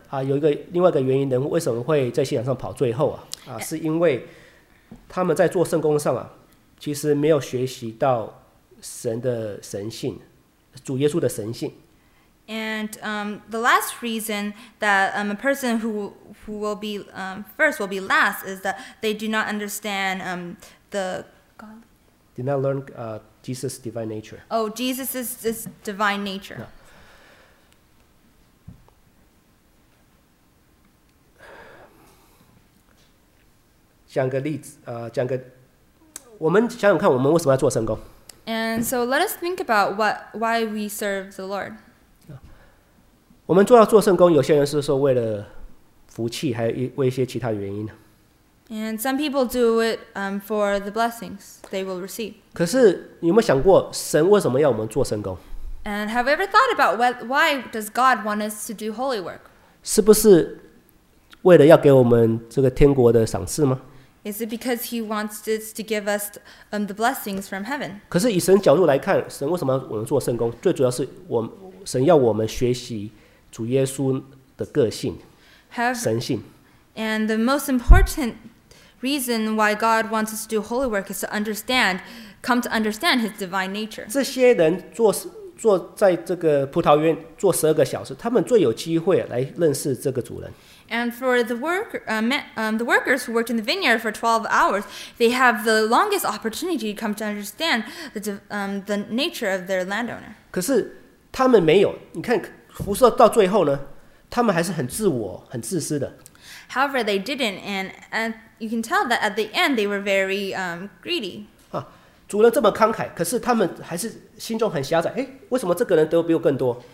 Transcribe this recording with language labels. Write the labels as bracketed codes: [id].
[zh] 有一个另外一个原因，人为什么会在信仰上跑最后啊？是因为他们在做圣工上啊，其实没有学习到神的神性，主耶稣的神性。 [en] And the last reason that a person who will be first will be last is that they do not understand the God. Did not learn Jesus' divine nature. Oh, Jesus' this divine nature. No. [zh] 讲个例子，讲个，我们想想看，我们为什么要做圣工 [en] ？And so let us think about why we serve the Lord. [zh] 我们做圣工，有些人是说为了福气，还有一些其他原因。 [en] And some people do it for the blessings they will receive. [zh] 可是你有没有想过，神为什么要我们做圣工 [en] ？And have you ever thought about why does God want us to do holy work? [zh] 是不是为了要给我们这个天国的赏赐吗？ [en] Is it because he wants us to give us the blessings from heaven? [zh] 可是以神角度来看，神为什么要我们做圣工？最主要是神要我们学习主耶稣的个性、神性。 [en] And the most important reason why God wants us to do holy work is to come to understand His divine nature. [zh] 这些人坐在这个葡萄园坐十二个小时，他们最有机会来认识这个主人。 [en] And for the workers who worked in the vineyard for 12 hours, they have the longest opportunity to come to understand the nature of their landowner. [zh] 可是他们没有，你看服侍到最后呢，他们还是很自我、很自私的。 [en] However, they didn't, and you can tell that at the end they were very greedy. [zh] 主人这么慷慨，可是他们还是心中很狭窄。哎，为什么这个人得比我更多？